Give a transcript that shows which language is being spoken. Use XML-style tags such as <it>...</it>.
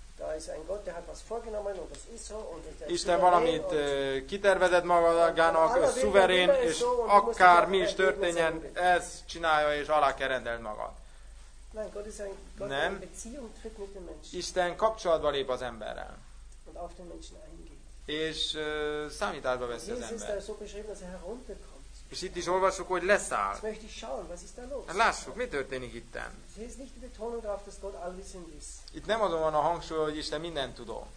<de>Da ist ein Gott, der hat was vorgenommen und das ist so und</de> <hu>der Isten valamit kitervezett magának, szuverén, és akár mi is történjen, ez csinálja és alá kell rendelni magad.</hu> <de>Nein, Gott ist ein Gott, der in Beziehung tritt mit dem Menschen.</de> <hu>Isten kapcsolatba lép az emberrel.</hu> <de>Und auf den Menschen eingeht.</de> <hu>És számításba veszi az ember.</hu> <de>Jézus ist so beschrieben, dass er herunterkommt.</de> <hu>És itt is olvassuk, hogy leszáll.</hu> <de>Jetzt möchte ich schauen, was ist da los?</de> <hu>Lássuk, mi történik itten.</hu> <de>Hier ist nicht die Betonung drauf, dass Gott allwissend ist.</de> <hu>Itt nem azon van a hangsúly, hogy Isten mindent tudó.</hu>